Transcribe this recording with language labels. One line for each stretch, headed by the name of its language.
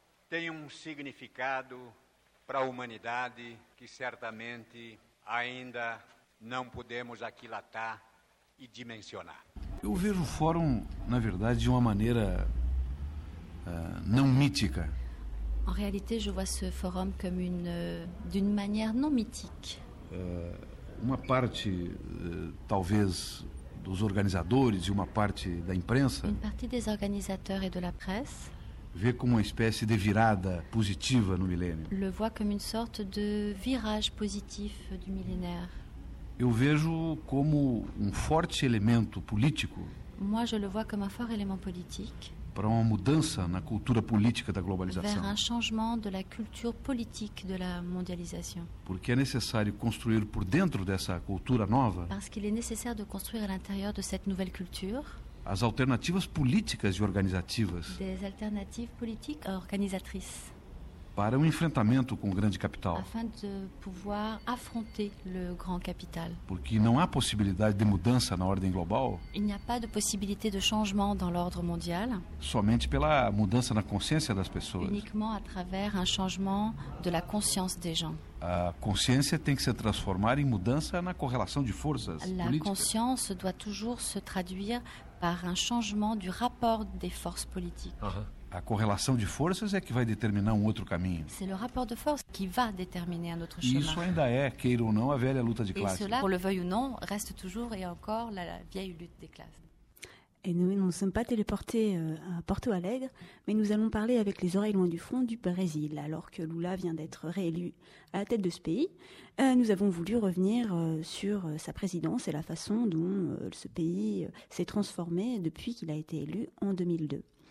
Portuguese: tem um significado para a humanidade que certamente ainda não podemos aquilatar e dimensionar. Eu vejo o Fórum, na verdade, de uma maneira não mítica.
French: En réalité, je vois ce forum comme d'une manière non mythique.
Portuguese: Uma parte, talvez, dos organizadores e uma parte da imprensa.
French: Une partie des organisateurs et de la presse.
Portuguese: Vê como uma espécie de virada positiva no milênio.
French: Le voit comme une sorte de virage positif du millénaire.
Portuguese: Eu vejo como um forte elemento político.
French: Moi je le vois comme un fort élément politique.
Portuguese: Para uma mudança na cultura política da globalização.
French: Vers un changement de la culture politique de la mondialisation.
Portuguese: Porque é necessário construir por dentro dessa cultura nova.
French: Parce qu'il est nécessaire de construire à l'intérieur de cette nouvelle culture.
Portuguese: As alternativas políticas e organizativas.
French: Des alternatives politiques et organisatrices.
Portuguese: Para um enfrentamento com o grande capital.
French: Afin de pouvoir affronter le grand capital.
Portuguese: Porque não há possibilidade de mudança na ordem global.
French: Il n'y a pas de possibilité de changement dans l'ordre mondial.
Portuguese: Somente pela mudança na consciência das pessoas.
French: Uniquement à travers un changement de la conscience des gens.
Portuguese: A consciência tem que se transformar em mudança na correlação de forças políticas.
French: La conscience doit toujours se traduire par un changement du rapport des forces politiques.
Portuguese: A correlação de forças é que vai determinar um outro caminho.
French: C'est le rapport de force qui va déterminer un autre chemin.
Portuguese: Isso ainda é, queira ou não, a velha luta de classe.
French: Et cela, pour le veuille ou non, reste toujours et encore la vieille lutte des classes. Et nous ne nous sommes pas téléportés à Porto Alegre, mais nous allons parler avec les oreilles loin du front du Brésil. Alors que Lula vient d'être réélu à la tête de ce pays, nous avons voulu revenir sur sa présidence et la façon dont ce pays s'est transformé depuis qu'il a été élu en 2002.